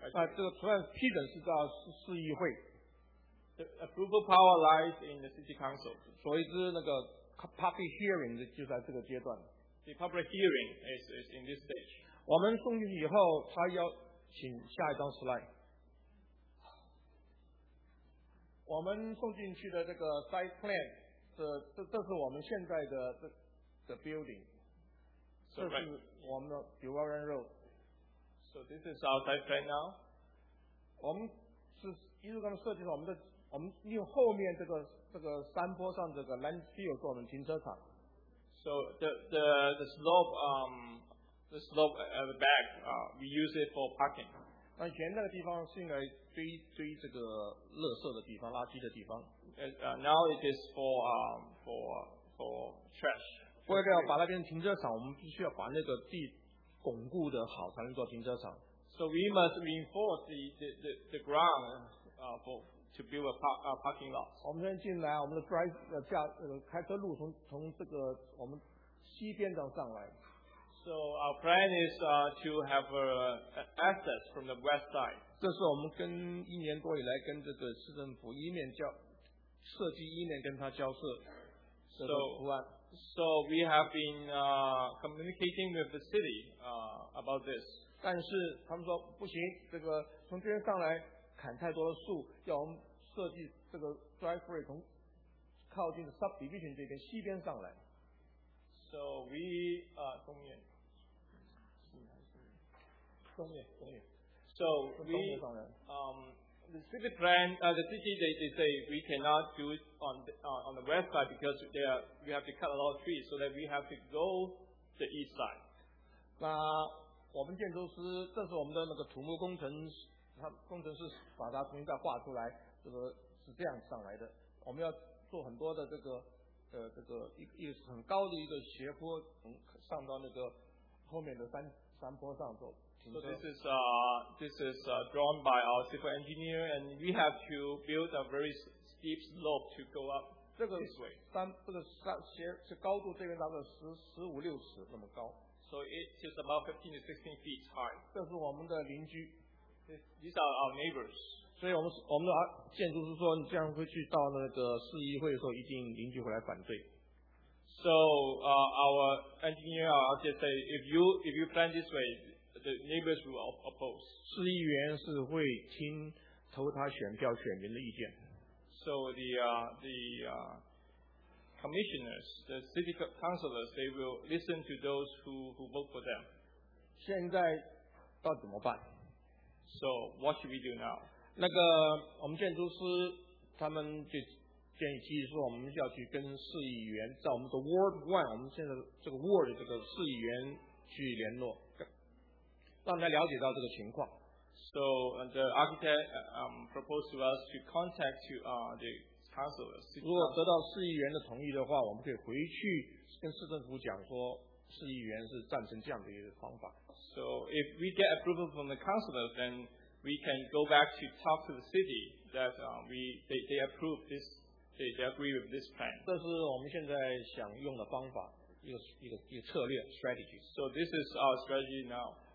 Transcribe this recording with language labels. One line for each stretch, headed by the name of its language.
Chinese: 那这个主要批准是到市议会。
English: The approval power lies in the city council.
Chinese: 所以是那个。Public hearing 就在这个阶段。
English: The public hearing is in this stage.
Chinese: 我们送进去以后，他要请下一张 slide。我们送进去的这个 site plan， 这是我们现在的这 building。
English: So right.
Chinese: 这是我们的 Durian Road。
English: So this is our site plan now.
Chinese: 我们是一路刚设计我们的。我们因为后面这个山坡上这个 landfill 是我们停车场。
English: So the slope the slope at the back we use it for parking.
Chinese: 那以前那个地方是用来堆这个垃圾的地方，垃圾的地方。
English: Now it is for trash.
Chinese: 为了把那边停车场，我们必须要把那个地巩固的好，才能做停车场。
English: So we must reinforce the ground for. To build a parking lot.
Chinese: 我们先进来，我们的 drive 开车路从这个我们西边这样上来。
English: So our plan is to have a access from the west side.
Chinese: 这是我们跟一年多以来跟这个市政府一面交设计意念跟他交涉。
English: So we have been communicating with the city about this.
Chinese: 但是他们说不行，这个从这边上来砍太多的树，要我们设计这个 driveway 从靠近 subdivision 这边西边上来。
English: So we
Chinese: 东面，东面。
English: So we The city plan, the city, they say we cannot do it on the west side because we have to cut a lot of trees, so that we have to go the east side.
Chinese: 那我们建筑师，这是我们的那个土木工程，他工程师把它重新再画出来，这个是这样上来的。我们要做很多的这个这个一个很高的一个斜坡，从上到那个后面的山坡上走。
English: So this is drawn by our civil engineer, and we have to build a very steep slope to go up this way.
Chinese: 这个高度大概15-16尺那么高。
English: So it is about 15-16 feet high.
Chinese: 这是我们的邻居。
English: These are our neighbors.
Chinese: 所以我们的建筑师说，你这样会去到那个市议会的时候，一定邻居会来反对。
English: So our engineer, I'll just say, if you plan this way. The neighbors will oppose.
Chinese: 市议员是会听投他选票选民的意见。
English: So the commissioners, the city councilors, they will listen to those who vote for them.
Chinese: 现在到怎么办
English: ？So what should we do now?
Chinese: 那个我们建筑师他们就建议，其实说我们要去跟市议员，在我们的 Ward One， 我们现在这个 Ward 这个市议员去联络。让大家了解到这个情况。
English: So the architect proposed to us to contact to the council.
Chinese: 如果得到市议员的同意的话，我们可以回去跟市政府讲说，市议员是赞成这样的一个方法。
English: So if we get approval from the councilors, then we can go back to talk to the city that they approve this, they agree with this plan.
Chinese: 这是我们现在想用的方法，一个策略 strategy.
English: So this is our strategy now.